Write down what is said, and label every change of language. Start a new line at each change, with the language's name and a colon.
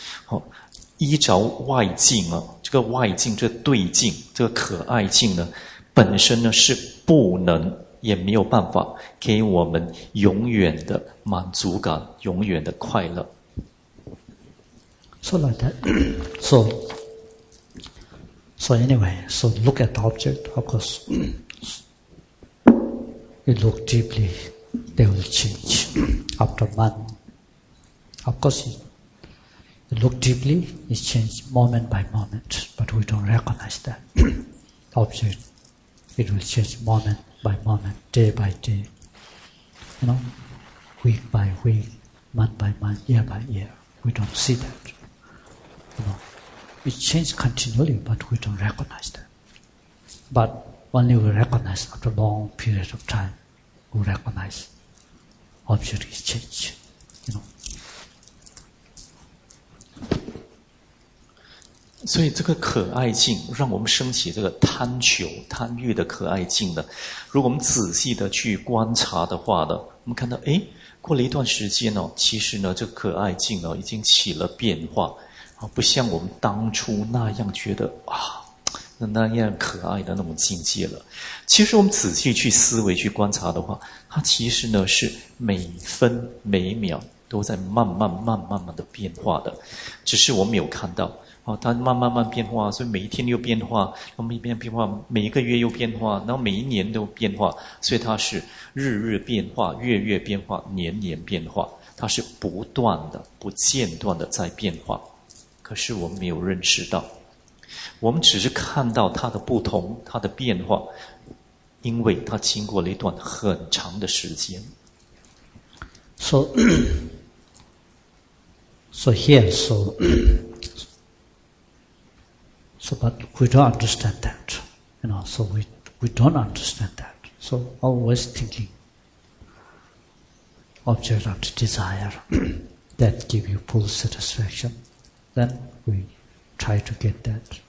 Chinese: 好，依照外境啊，这个外境，这个对境，这个可爱境呢，本身呢是不能也没有办法给我们永远的满足感，永远的快乐。
English: So like that. So anyway, so look at the object, of course. You look deeply, they will change after month. Of course, you look deeply, it changes moment by moment, but we don't recognize that object. It will change moment. By moment, day by day, you know, week by week, month by month, year by year, we don't see that. You know, it changes continually, but we don't recognize that. But only we recognize after a long period of time, we recognize object is changed, you know.
Chinese: 所以这个可爱境让我们升起这个贪求贪欲的可爱境呢，如果我们仔细的去观察的话呢，我们看到诶，过了一段时间哦，其实呢这个可爱境呢已经起了变化，不像我们当初那样觉得啊那样可爱的那种境界了。其实我们仔细去思维去观察的话，它其实呢是每分每秒都在慢慢的变化的，只是我们没有看到哦，它慢慢变化，所以每一天又变化，那么一边变化，每一个月又变化，然后每一年都变化，所以它是日日变化，月月变化，年年变化，它是不断的、不间断的在变化。可是我们没有认识到，我们只是看到它的不同、它的变化，因为它经过了一段很长的时间。
English: So here. So, but we don't understand that, you know, so we don't understand that. So, always thinking, object of the desire that give you full satisfaction, then we try to get that.